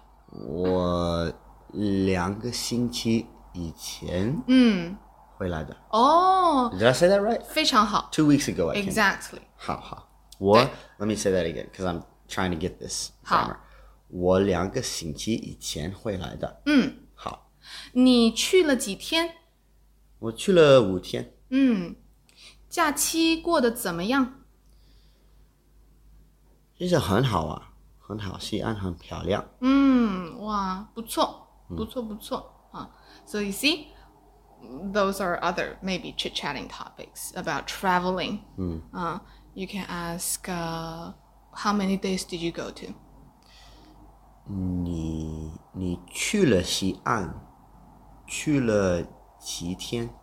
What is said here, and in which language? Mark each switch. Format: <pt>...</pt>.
<zh>我两个星期以前回来的。哦、</zh> <en>Did I say that right?</en> <zh>非常好。</zh> <en>Two weeks ago, I think. Exactly.</en> <zh>好好。我</zh> <en>Let me say that again, because I'm trying to get this grammar.</en> <zh>我两个星期以前回来的。嗯。好。你去了几天？我去了5天。嗯。假期过得怎么样？其实很好啊，很好，西安很漂亮。嗯，哇，不错，不错，不错、嗯、啊。</zh> <en>So you see, those are other maybe chit-chatting topics about traveling.</en> <zh>嗯，啊、</zh> <en>you can ask, how many days did you go to?</en> <zh>你去了西安，去了几天？</zh>